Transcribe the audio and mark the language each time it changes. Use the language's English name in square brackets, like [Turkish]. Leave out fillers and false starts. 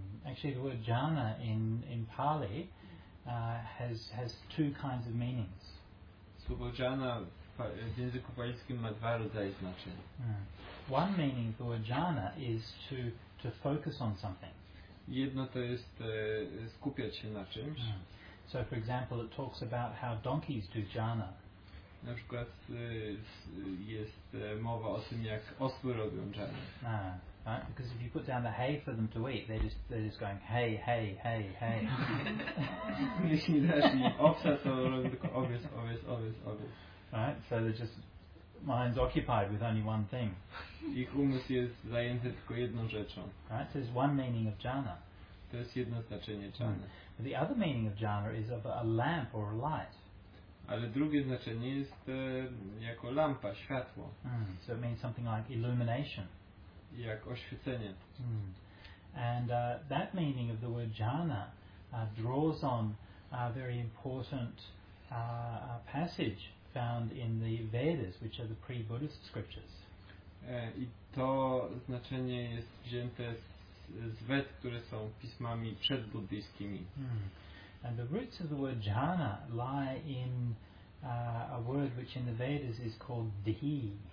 [English] Actually, the word jhana in Pali has two kinds of meanings. [Polish] Słowo jhana w języku palijskim ma dwa rodzaje znaczenia. [English] One meaning of the word jhana is to focus on something. [Polish] Jedno to jest skupiać się na czymś. [English] So for example, it talks about how donkeys do jhana. [Polish] Na przykład jest mowa o tym, jak osły robią jhana. [English] Right? Because if you put down the hay for them to eat, they're just going hey, hey, hey, hey. [Polish] Jeśli dasz im owsa, to robią tylko owies, owies, owies, owies. [English] Right? So they're just mind's occupied with only one thing. [Polish] Ich umysł jest zajęty tylko jedną rzeczą. [English] Right? So there's one meaning of jhana. [Polish] To jest jedno znaczenie jhana. [English] But the other meaning of jhana is of a lamp or a light. [Polish] Ale drugie znaczenie jest jako lampa, światło. [English] So it means something like illumination. [Polish] Jak oświecenie. [English] And that meaning of the word jhana draws on a very important passage found in the Vedas, which are the pre-Buddhist scriptures. [Polish] I to znaczenie jest wzięte z Ved, które są pismami przedbuddyjskimi. [English] And the roots of the word jhana lie in a word which in the Vedas is called dhi.